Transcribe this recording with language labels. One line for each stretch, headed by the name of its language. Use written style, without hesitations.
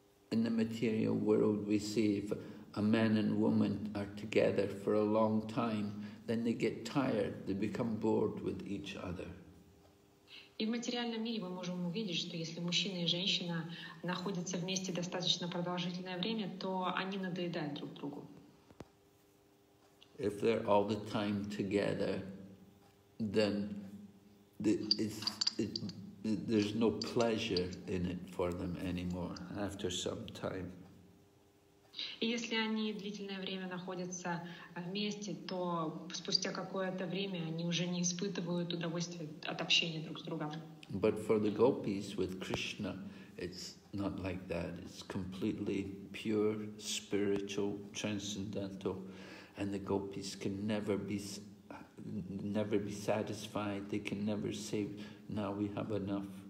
English: In the material world, we see if a man and woman are together for a long time, then they get tired, they become bored with each other.
Russian: И в материальном мире мы можем увидеть, что если мужчина и женщина находятся вместе достаточно продолжительное время, то они надоедают друг другу.
English: If they're all the time together, then there's no pleasure in it for them anymore after some time.
Russian: И если они длительное время находятся вместе, то спустя какое-то время они уже не испытывают удовольствия от общения друг с другом.
English: But for the gopis with Krishna, it's not like that. It's completely pure, spiritual, transcendental, and the gopis can never be satisfied. They can never say, "Now we have enough.